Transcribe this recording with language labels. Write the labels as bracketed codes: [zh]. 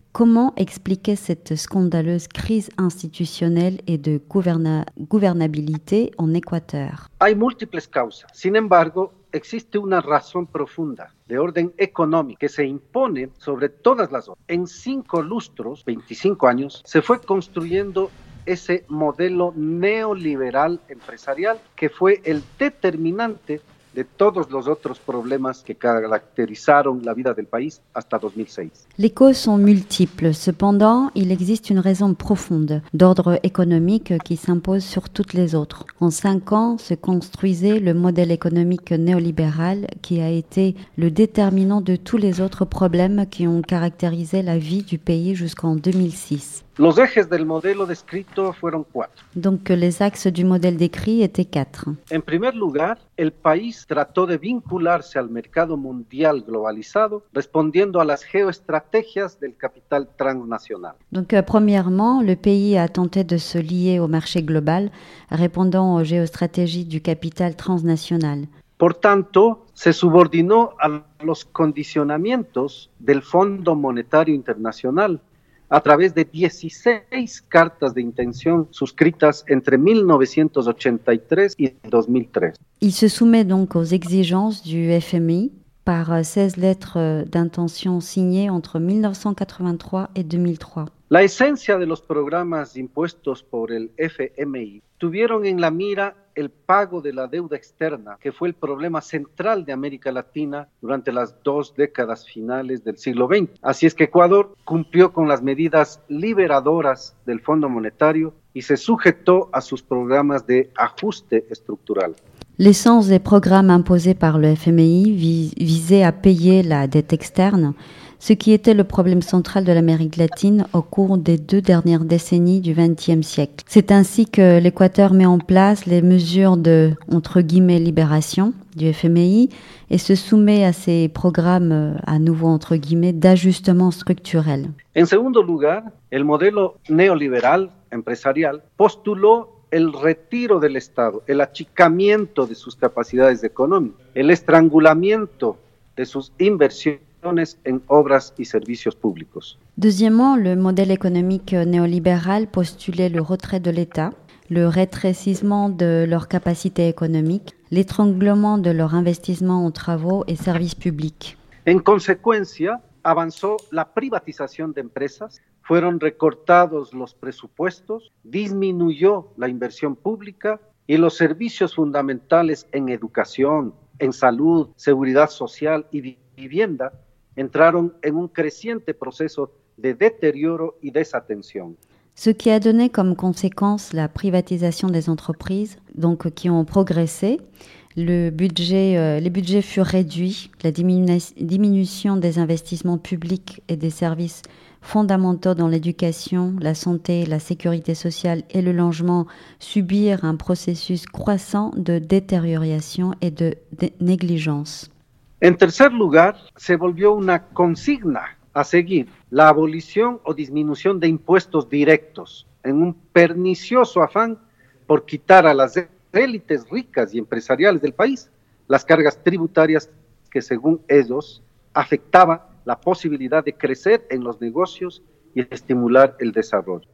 [fr] Comment expliquer cette scandaleuse crise institutionnelle et de gouvernabilité en Équateur? [es] Hay múltiples causas. Sin embargo, existe una razón profunda de orden económico que se impone sobre todas las otras. En 5 lustros, 25 años, se fue construyendo ese modelo neoliberal empresarial que fue el determinante de todos los otros problemas que caracterizaron la vida del país hasta 2006. [fr] Les causes sont multiples. Cependant, il existe une raison profonde d'ordre économique qui s'impose sur toutes les autres. En cinq ans, se construisait le modèle économique néolibéral qui a été le déterminant de tous les autres problèmes qui ont caractérisé la vie du pays jusqu'en 2006. [es] Los ejes del modelo descrito fueron cuatro. [fr] Donc, les axes du modèle décrit étaient quatre. [es] En primer lugar, el país trató de vincularse al mercado mundial globalizado respondiendo a las geoestrategias del capital transnacional. [fr] Donc, premièrement, le pays a tenté de se lier au marché global répondant aux géostratégies du capital transnational. [es] Por tanto, se subordinó a los condicionamientos del Fondo Monetario Internacional a través de 16 cartas de intención suscritas entre 1983 y 2003. [fr] Il se soumet donc aux exigences du FMI par 16 lettres d'intention signées entre 1983 et 2003. [es] La esencia de los programas impuestos por el FMI tuvieron en la mira el pago de la deuda externa, que fue el problema central de América Latina durante las dos décadas finales del siglo XX. Así es que Ecuador cumplió con las medidas liberadoras del Fondo Monetario y se sujetó a sus programas de ajuste estructural. [fr] L'essence des programas imposés par le FMI visait a payer la dette externe, ce qui était le problème central de l'Amérique latine au cours des deux dernières décennies du XXe siècle. C'est ainsi que l'Équateur met en place les mesures de, entre guillemets, libération du FMI et se soumet à ces programmes, à nouveau entre guillemets, d'ajustement structurel. [es] En segundo lugar, el modelo neoliberal empresarial postuló el retiro del Estado, el achicamiento de sus capacidades económicas, el estrangulamiento de sus inversiones en obras y servicios públicos. [fr] Deuxièmement, le modèle économique néolibéral postulait le retrait de l'État, le rétrécissement de leurs capacités économiques, l'étranglement de leurs investissements en travaux et services publics. [es] En consecuencia, avanzó la privatización de empresas, fueron recortados los presupuestos, disminuyó la inversión pública y los servicios fundamentales en educación, en salud, seguridad social y vivienda entraron en un creciente proceso de deterioro y desatención. [fr] Ce qui a donné comme conséquence la privatisation des entreprises, donc qui ont progressé, les budgets furent réduits, la diminution des investissements publics et des services fondamentaux dans l'éducation, la santé, la sécurité sociale et le logement subirent un processus croissant de détérioration et de négligence. [es] En tercer lugar, se volvió una consigna a seguir la abolición o disminución de impuestos directos en un pernicioso afán por quitar a las élites ricas y empresariales del país las cargas tributarias que, según ellos, afectaba la posibilidad de crecer en los negocios y estimular el desarrollo.